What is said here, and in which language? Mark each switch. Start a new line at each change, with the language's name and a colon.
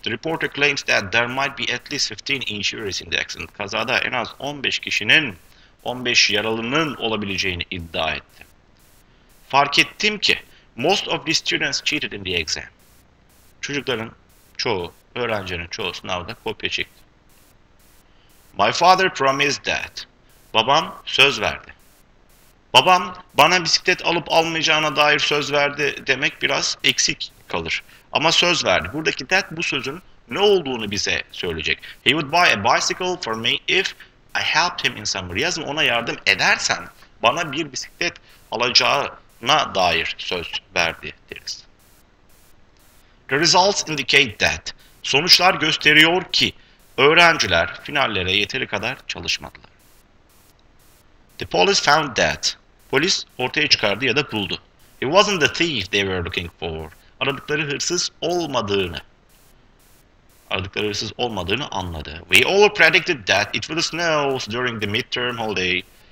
English: The reporter claims that there might be at least 15 injuries in the accident.
Turkish: Kazada en az 15 kişinin, 15 yaralının olabileceğini iddia etti. Fark ettim ki
English: most of the students cheated in the exam.
Turkish: Çocukların çoğu, öğrencilerin çoğu sınavda kopya çekti.
English: My father promised that.
Turkish: Babam söz verdi. Babam bana bisiklet alıp almayacağına dair söz verdi demek biraz eksik kalır. Ama söz verdi. Buradaki that, bu sözün ne olduğunu bize söyleyecek.
English: He would buy a bicycle for me if I helped him in summer.
Turkish: Yazın, ona yardım edersen bana bir bisiklet alacağına dair söz verdi deriz.
English: The results indicate that.
Turkish: Sonuçlar gösteriyor ki öğrenciler finallere yeteri kadar çalışmadılar.
English: The police found that.
Turkish: Polis ortaya çıkardı ya da buldu.
English: It wasn't the thief they were looking for.
Turkish: Aradıkları hırsız olmadığını anladı.
English: We all predicted that it would snow during the midterm holiday.